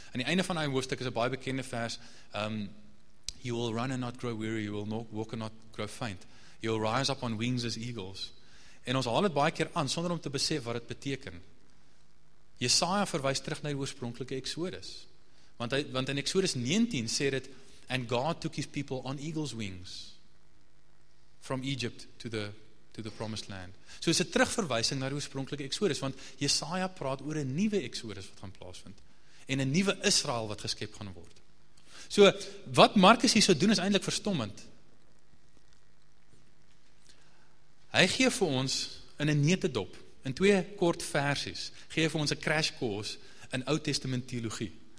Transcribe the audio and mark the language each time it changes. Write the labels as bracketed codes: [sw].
[af] In die einde van die hoofstuk is 'n baie bekende vers, [en] you will run and not grow weary, you will not walk and not grow faint. You'll rise up on wings as eagles. [af] En ons haal het baie keer aan, sonder om te besef wat het beteken. Jesaja verwys terug na die oorspronklike Exodus. Want in Exodus 19 sê dit, [en] and God took his people on eagles' wings from Egypt to the promised land. [af] So is 'n terugverwysing na die oorspronklike Exodus, want Jesaja praat oor 'n nuwe Exodus wat gaan plaasvind. En 'n nuwe Israel wat geskep gaan word. So, wat Markus hier so doen is eintlik verstommend. Hy gee vir ons in 'n netedop, in twee kort versies, gee vir ons 'n crash course in Ou Testament teologie.